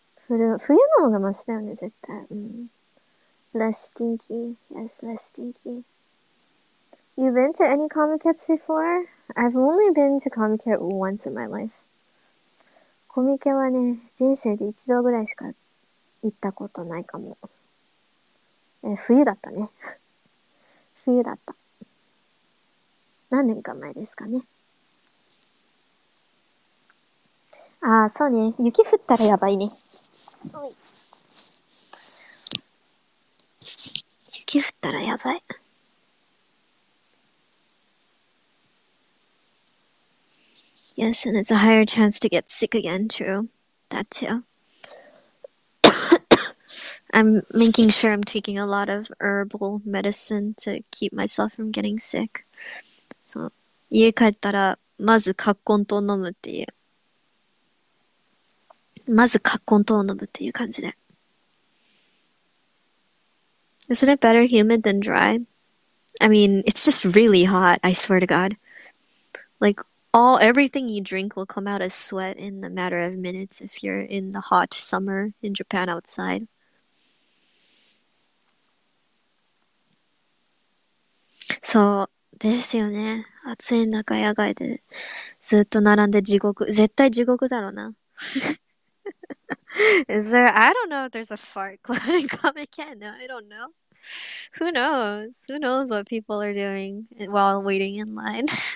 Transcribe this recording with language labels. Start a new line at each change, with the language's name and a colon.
Japanese: Fuyu no ga mashi da yo ne, zettai.
English: Less stinky. Yes, less stinky. You've been to any Comic Cats before? I've only been to Comic Cat once in my life.
Japanese: コミケはね、人生で一度ぐらいしか行ったことないかも。冬だったね。冬だった。何年か前ですかね。ああ、そうね。雪降ったらやばいね。雪降ったらやばい。
English: Yes, and it's a higher chance to get sick again, true. That too. I'm making sure I'm taking a lot of herbal medicine to keep myself from getting sick.
Japanese: So, 家帰ったらまずカッコン糖飲むっていう。まずカッコン糖を飲むっていう感じで。
English: Isn't it better humid than dry? I mean, it's just really hot, I swear to God. Like, everything you drink will come out as sweat in a matter of minutes if you're in the hot summer in Japan outside.
Japanese: そうですよね。暑い中野外でずっと並んで地獄、絶対地獄だろうな。
English: I don't know if there's a fart cloud in Comic Cat. No, I don't know. Who knows? Who knows what people are doing while waiting in line?